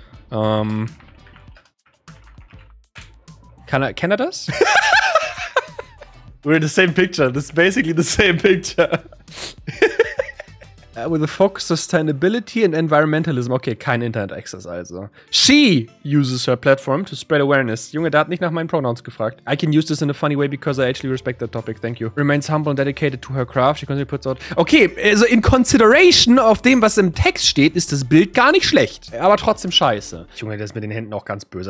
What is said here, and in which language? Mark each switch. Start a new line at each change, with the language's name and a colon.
German: Kann er das?
English: We're in the same picture. This is basically the same picture. With a focus on sustainability and environmentalism. Okay,
German: kein Internet Access also.
English: She uses her platform to spread awareness.
German: Junge, der hat nicht nach meinen Pronouns gefragt.
English: I can use this in a funny way because I actually respect that topic. Thank you. Remains humble and dedicated to her craft. She constantly puts out.
German: Okay, also
English: in consideration of
German: dem, was im Text steht, ist das Bild gar nicht schlecht. Aber trotzdem scheiße. Junge, der ist mit den Händen auch ganz böse.